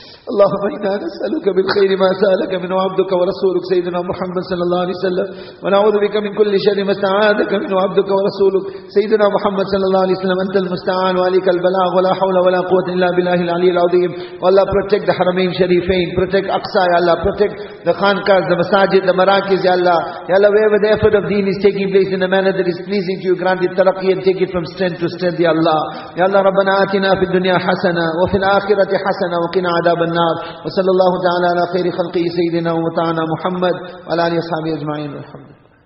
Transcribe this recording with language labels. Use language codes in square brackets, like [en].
[ar] اللهم إنا نسألك بالخير ما سألك منه عبدك ورسولك سيدنا محمد صلى الله عليه وسلم، ونعوذ بك من كل شر ما استعاذك منه عبدك ورسولك سيدنا محمد صلى الله عليه وسلم. أنت المستعان وعليك البلاغ، ولا حول ولا قوة إلا بالله العلي العظيم. [en] والله protect the حرمين الشريفين، protect أقصى، يا الله protect the خانقاز، the مساجد، the مراكز، يا الله wherever the effort of deen is taking place in a manner that is pleasing to you, grant it ترقي and take it from strength to strength, يا الله. [ar] يا الله ربنا آتنا في الدنيا حسنة وفي الآخرة حسنة وقنا عذاب النار. وصلى الله تعالى على خير خلقه سيدنا ومتعنا محمد وعلى آله وصحبه أجمعين. والحمد لله.